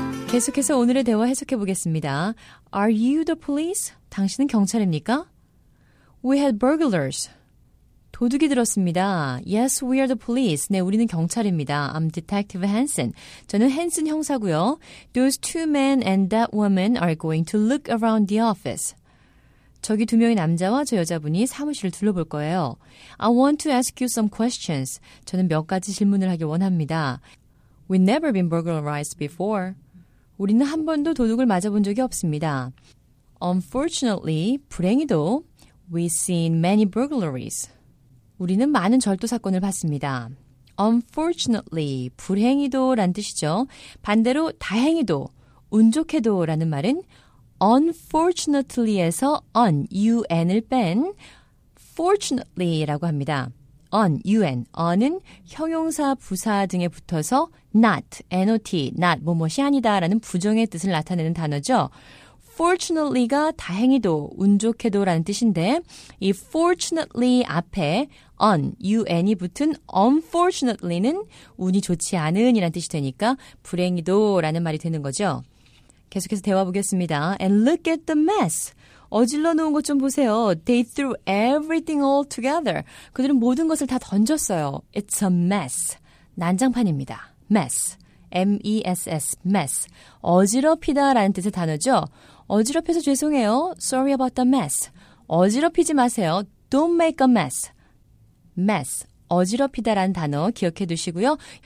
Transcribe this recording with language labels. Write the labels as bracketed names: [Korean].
[Korean] 계속해서 오늘의 대화 해석해 보겠습니다. [English] Are you the police? [Korean] 당신은 경찰입니까? [English] We had burglars. [Korean] 도둑이 들었습니다. [English] Yes, we are the police. [Korean] 네, 우리는 경찰입니다. [English] I'm Detective Hansen. [Korean] 저는 Hansen 형사고요. [English] Those two men and that woman are going to look around the office. [Korean] 저기 두 명의 남자와 저 여자분이 사무실을 둘러볼 거예요. [English] I want to ask you some questions. [Korean] 저는 몇 가지 질문을 하길 원합니다. [English] We've never been burglarized before. [Korean] 우리는 한 번도 도둑을 맞아본 적이 없습니다. [English] Unfortunately, 불행히도, we've seen many burglaries. [Korean] 우리는 많은 절도 사건을 봤습니다. Unfortunately, 불행히도 란 뜻이죠. 반대로 다행히도, 운 좋게도 라는 말은 unfortunately에서 un, un을 뺀 fortunately라고 합니다. un, un, un은 형용사, 부사 등에 붙어서 not, not, not, 뭐뭇이 아니다 라는 부정의 뜻을 나타내는 단어죠. fortunately가 다행히도, 운 좋게도 라는 뜻인데 이 fortunately 앞에 un, un이 붙은 unfortunately는 운이 좋지 않은 이란 뜻이 되니까 불행히도 라는 말이 되는 거죠. 계속해서 대화 보겠습니다. [English] And look at the mess. [Korean] 어질러 놓은 것 좀 보세요. [English] They threw everything all together. [Korean] 그들은 모든 것을 다 던졌어요. [English] It's a mess. [Korean] 난장판입니다. [English] mess. M-E-S-S. mess. [Korean] 어지럽히다 라는 뜻의 단어죠. 어지럽혀서 죄송해요. [English] Sorry about the mess. [Korean] 어지럽히지 마세요. [English] Don't make a mess. [Korean] mess. 어지럽히다 라는 단어 기억해 두시고요.